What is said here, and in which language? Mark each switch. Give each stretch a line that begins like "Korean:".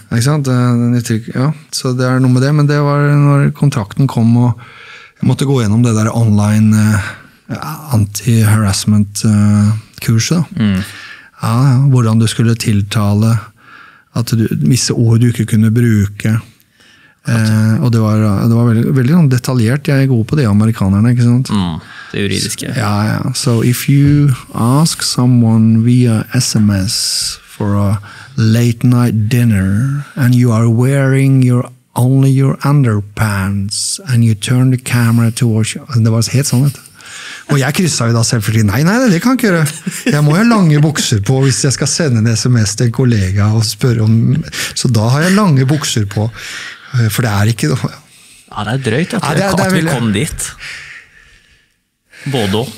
Norwegian: Ikke sant? Ja, så det er noe med det, men det var når kontrakten kom, og jeg måtte gå gjennom det der online anti-harassment-kurset. Mm. Ja, hvordan du skulle tiltale at du visse ord du ikke kunne bruke. Og det var veldig, veldig detaljert. Jeg er god på det, amerikanerne, ikke sant? Mm, det juridiske. Ja, ja.
English: So if you ask someone via SMS for a late night dinner and you are wearing only your underpants and you turn the camera towards you.
Norwegian: Det var helt sånn, vet du. Og jeg krysset jo da selvfølgelig, nei, det kan ikke gjøre. Jeg må ha lange bukser på hvis jeg skal sende en sms til en kollega og spørre om, så da har jeg lange bukser på, for det er ikke noe. Ja, det er drøyt at, vi kom dit. Både og.